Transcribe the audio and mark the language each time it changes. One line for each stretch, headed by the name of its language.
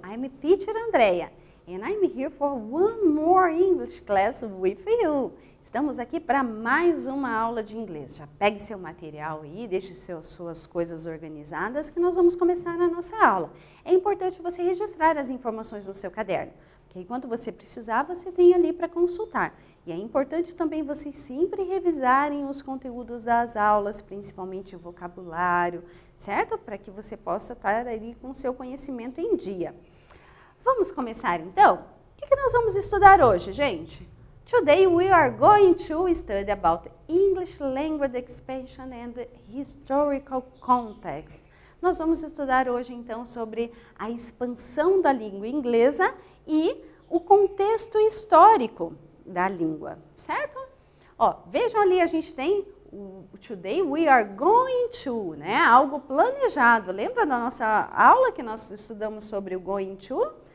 English: I'm teacher Andrea, and I'm here for one more English class with you.
Portuguese: Estamos aqui para mais uma aula de inglês. Já pegue seu material aí, deixe suas coisas organizadas que nós vamos começar a nossa aula. É importante você registrar as informações no seu caderno, porque enquanto você precisar, você tem ali para consultar. E é importante também vocês sempre revisarem os conteúdos das aulas, principalmente o vocabulário, certo? Para que você possa estar ali com o seu conhecimento em dia. Vamos começar então? O que nós vamos estudar hoje, gente?
English: Today we are going to study about English language expansion and historical context.
Portuguese: Nós vamos estudar hoje então sobre a expansão da língua inglesa e o contexto histórico da língua, certo? Ó, vejam ali, a gente tem o
English: today we are going to,
Portuguese: né? Algo planejado. Lembra da nossa aula que nós estudamos sobre o going to?